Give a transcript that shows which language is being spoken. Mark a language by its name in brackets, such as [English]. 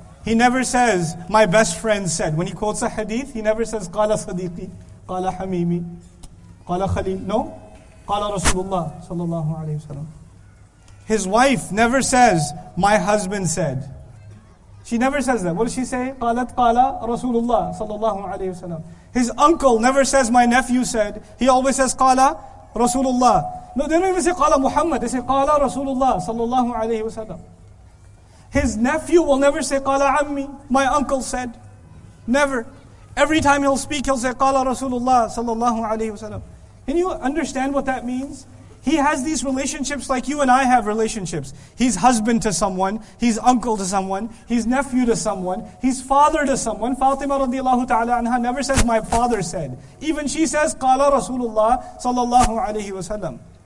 [English] He never says, my best friend said. When he quotes a hadith, he never says, [Arabic] qala sadiqi, qala hamimi, qala khalil. [English] No? [Arabic] Qala Rasulullah sallallahu alayhi wa sallam. [English] His wife never says, "My husband said." She never says that. What does she say? [Arabic] قالت قال رسول الله صلى الله عليه وسلم. [English] His uncle never says, "My nephew said." He always says, [Arabic] "قال رسول الله." [English] No, they don't even say [Arabic] "قال محمد." [English] They say [Arabic] "قال رسول الله صلى الله عليه وسلم." [English] His nephew will never say [Arabic] "قال عمي." [English] My uncle said, never. Every time he'll speak, he'll say [Arabic] "قال رسول الله صلى الله عليه وسلم." [English] Can you understand what that means? He has these relationships like you and I have relationships. He's husband to someone, he's uncle to someone, he's nephew to someone, he's father to someone. Fatima radiallahu ta'ala anha never says, "My father said." Even she says, [Arabic] "Qala Rasulullah sallallahu alayhi wa sallam."